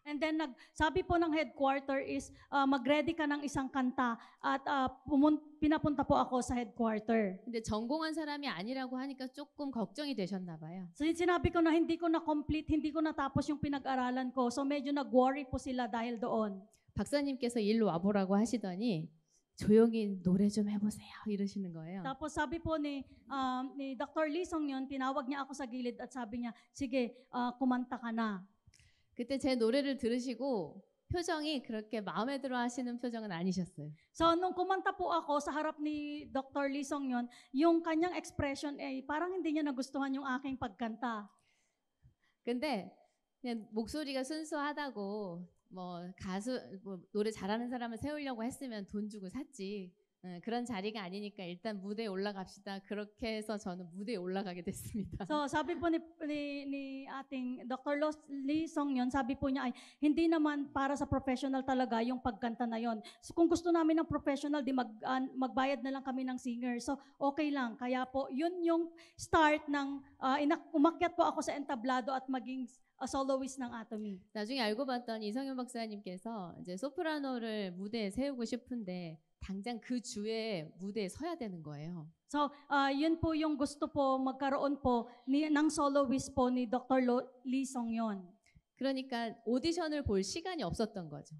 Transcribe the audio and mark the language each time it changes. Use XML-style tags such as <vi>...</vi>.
<tl>And then, sabi po ng headquarter is mag-ready ka ng isang kanta at pinapunta po ako sa headquarter.</tl> <ko>근데 전공한 사람이 아니라고 하니까 조금 걱정이 되셨나 봐요.</ko> <tl>So, sinabi ko na hindi ko na complete, hindi ko natapos yung pinag-aralan ko. So, medyo nag-worry po sila dahil doon.</tl> <ko>박사님께서 일로 와보라고 하시더니 조용히 노래 좀 해보세요 이러시는 거예요. 그리고</ko> <tl>sabi po ni Dr. Lee Song-yeon, tinawag niya ako sa gilid at sabi niya, sige, kumanta ka na.</tl> <ko>그때 제 노래를 들으시고 표정이 그렇게 마음에 들어 하시는 표정은 아니셨어요.</ko> <tl>So, nung kumanta po ako sa harap ni Dr. Lee Song-yeon, yung kanyang expression ay parang hindi niya nagustuhan yung aking pagkanta.</tl> <ko>근데 그냥 목소리가 순수하다고 뭐 가수 뭐 노래 잘하는 사람을 세우려고 했으면 돈 주고 샀지. 그런 자리가 아니니까 일단 무대에 올라갑시다. 그렇게 해서 저는 무대에 올라가게 됐습니다.</ko> <tl>So, sabi po ni ating Dr. Lee Song-yeon, sabi po niya ay hindi naman para sa professional talaga yung pagkanta na yon. So, kung gusto namin ng professional, di magbayad na lang kami ng singer. So, okay lang. Kaya po, yun yung start ng umakyat po ako sa entablado at maging a soloist ng Atomy.</tl> <ko>나중에 알고 봤던 이성현 박사님께서 이제 소프라노를 무대에 세우고 싶은데 당장 그 주에 무대에 서야 되는 거예요.</ko> <tl>So, yun po yung gusto po magkaroon po ng soloist po ni Dr. Lee Song-yeon.</tl> <ko>그러니까 오디션을 볼 시간이 없었던 거죠.</ko>